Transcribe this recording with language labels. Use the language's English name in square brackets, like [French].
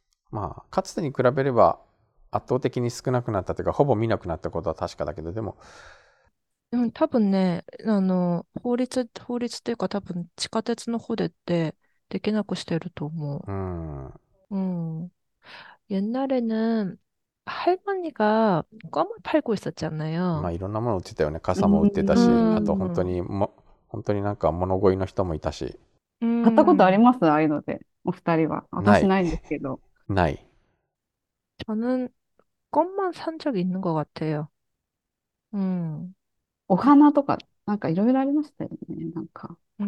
[Japanese] まあ、かつてに比べれば圧倒的に少なくなったというか、ほぼ見なくなったことは確かだけど、でも、多分ね、法律というか、多分地下鉄の方でってできなくしてると思う。 [Korean] 옛날에는 할머니가 껌을 팔고 있었잖아요. [Japanese] まあ、いろんなもの売ってたよね。傘も売ってたし、あと本当に本当になんか物乞いの人もいたし。買ったことあります？ああいうので、お二人は。な私い。ないんですけど。ない。 [Korean] 저는 껌만 산 적이 있는 것 같아요. [Japanese] お花とか、なんかいろいろありましたよね、なんか。